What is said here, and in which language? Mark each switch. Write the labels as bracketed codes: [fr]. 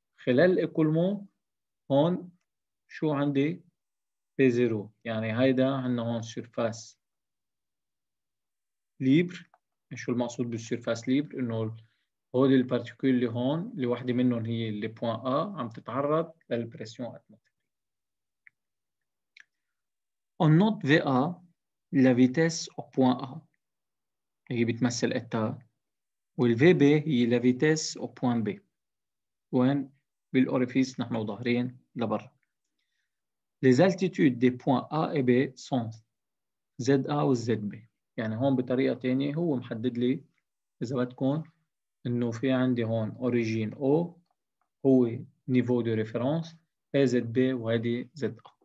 [ar] خلال [fr] l'écoulement, on [ar] شو عندي P0 يعني هيدا عندنا surface libre شو المقصود بالsurface libre انه هودي البارتيكول اللي هون اللي واحدة منهم هي اللي بوان ا عم تتعرض للبريسيون اتموسفيريك. [fr] On note VA la vitesse au point A [ar] هي بتمثل اتا والVB هي [fr] la vitesse au point B [ar] وين بالاوريفيس نحن ظاهرين لبرا. [fr] Les altitudes des points A et B sont ZA [ar] و ZB يعني هون بطريقة تانية هو محدد لي إذا بدكم انه في عندي هون اوريجين او هو نيفو دو ريفرنس اي زد بي وهيدي زد